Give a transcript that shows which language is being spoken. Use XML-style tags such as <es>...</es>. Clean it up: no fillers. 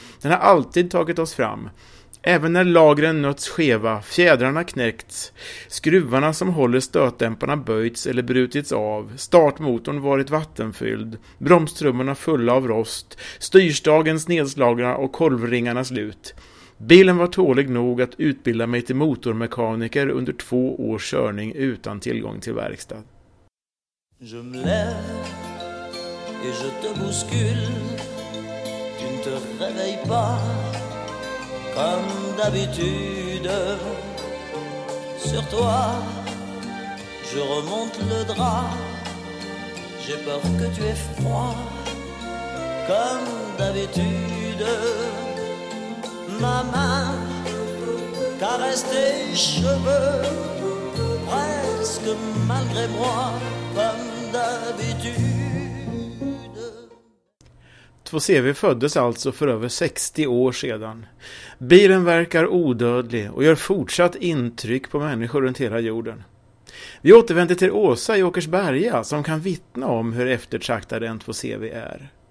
<sv>Den har alltid tagit oss fram. Även när lagren nötts skeva, fjädrarna knäckts, skruvarna som håller stötdämparna böjts eller brutits av, startmotorn varit vattenfylld, bromstrummorna fulla av rost, styrstagens nedslagna och kolvringarna slut. Bilen var tålig nog att utbilda mig till motormekaniker under 2 års körning utan tillgång till verkstad.</sv> <fr>Je me lève et je te bouscule. Tu ne te réveilles pas. Comme d'habitude, sur toi, je remonte le drap. J'ai peur que tu aies froid, comme d'habitude. Ma main caresse tes cheveux, presque malgré moi, comme d'habitude.</fr> <sv>2CV föddes alltså för över 60 år sedan. Bilen verkar odödlig och gör fortsatt intryck på människor runt hela jorden. Vi återvänder till Åsa i Åkersberga som kan vittna om hur eftertraktad en 2CV är.</sv>